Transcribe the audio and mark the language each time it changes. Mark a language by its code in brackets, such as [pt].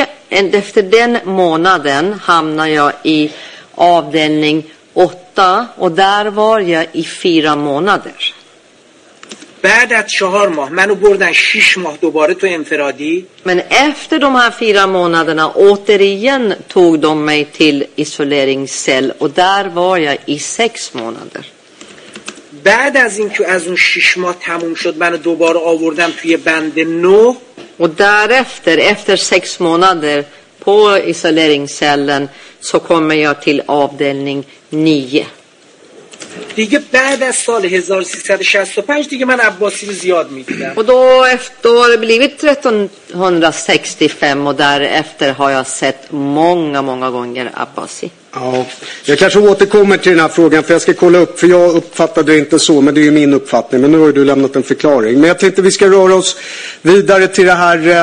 [sv] Efter den månaden hamnade jag i avdelning 8 och där var jag i 4 månader. [fa] بعد از 4 ماه منو بردن 6 ماه دوباره تو انفرادی من [sv] efter de här 4 månaderna återigen tog de mig till isoleringscell och där var jag i 6 månader. [fa] بعد از این که از اون 6 ماه تموم شد منو دوباره آوردم توی بند 9 و [sv] därefter efter 6 månader på isoleringscellen så kommer jag till avdelning 9. [fa] دیگه بعد از سال 1365 دیگه من عباسی رو زیاد می‌دیدم. و [sv] då efter blivit 1365 och därefter har jag sett många många gånger Abbasi. Ja, jag kanske återkommer till den här frågan för jag ska kolla upp, för jag uppfattade det inte så, men det är ju min uppfattning. Men nu har du lämnat en förklaring. Men jag tänkte vi ska röra oss vidare till det här